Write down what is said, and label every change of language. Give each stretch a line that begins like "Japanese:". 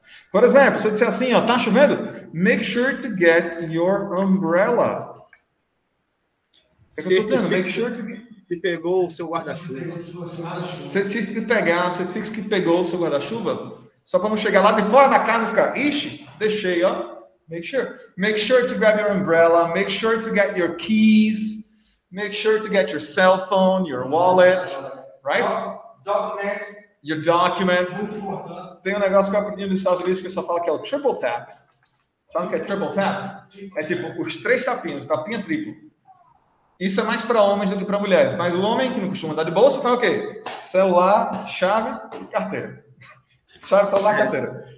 Portuguese: Por exemplo, você disse assim, ó, tá chovendo? Make sure to get your umbrella. Certifique-se que pegou o seu guarda-chuva. Só para não chegar lá de fora da casa e ficar, ixi, deixei, ó.
English: Make sure to grab your umbrella, make sure to get your keys, make sure to get your cell phone, your wallet, right? Documents. Your documents.
Portuguese: Muito importante. Tem um negócio que eu aprendi nos Estados Unidos que o pessoal fala que é o triple tap. Sabe o que é triple tap? É tipo os três tapinhos, tapinha triplo. Isso é mais para homens do que para mulheres, mas o homem que não costuma dar de bolsa, tá ok. Celular, chave, carteira. Chave, celular, carteira.